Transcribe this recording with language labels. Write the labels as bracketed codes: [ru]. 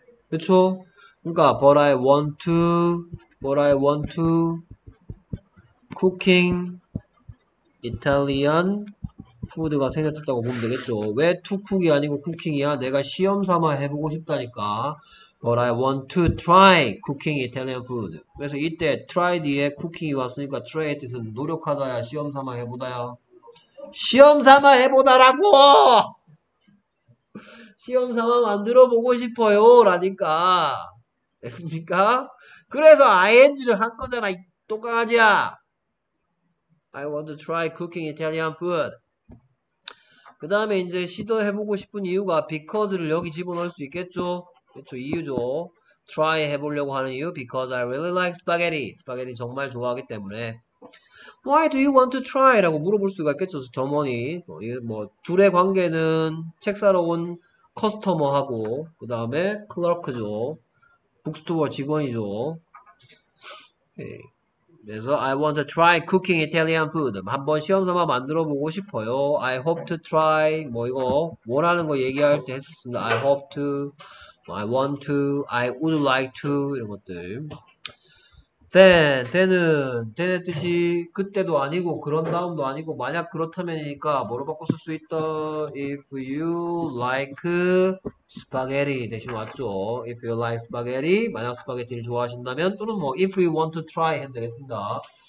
[ko] 그렇죠? 그러니까 [en] but I want to cooking Italian food [ko] 가 생겼다고 보면 되겠죠. 왜 to cook이 아니고 cooking이야? 내가 시험 삼아 해보고 싶다니까. [en] But I want to try cooking Italian food. [ko] 그래서 이때 try 뒤에 cooking이 왔으니까 try의 뜻은 노력하다야, 시험 삼아 해보다야. 시험 삼아 해보다라고! 시험 삼아 만들어 보고 싶어요! 라니까. 됐습니까? 그래서 ing를 한 거잖아, 이 똥강아지야! [en] I want to try cooking Italian food. [ko] 그 다음에 이제 시도해보고 싶은 이유가 because를 여기 집어넣을 수 있겠죠? 그쵸, 이유죠. [en] try [ko] 해보려고 하는 이유, [en] because I really like spaghetti. [ko] 스파게티 정말 좋아하기 때문에. [en] why do you want to try? [ko] 라고 물어볼 수가 있겠죠, 점원이. 뭐, 둘의 관계는 책 사러 온 커스터머하고, 그 다음에 클러크죠. 북스토어 직원이죠. 그래서 [en] I want to try cooking Italian food. [ko] 한번 시험 삼아 만들어 보고 싶어요. [en] I hope to try. [ko] 뭐, 이거, 원하는 거 얘기할 때 했었습니다. [en] I hope to. I want to, I would like to, [ko] 이런 것들. then의 뜻이 그때도 아니고, 그런 다음도 아니고, 만약 그렇다면이니까, 뭐로 바꿔 쓸 수 있다? [en] If you like spaghetti. [ko] 대신 왔죠. [en] If you like spaghetti. [ko] 만약 스파게티를 좋아하신다면, 또는 뭐, [en] if you want to try. [ko] 해도 되겠습니다.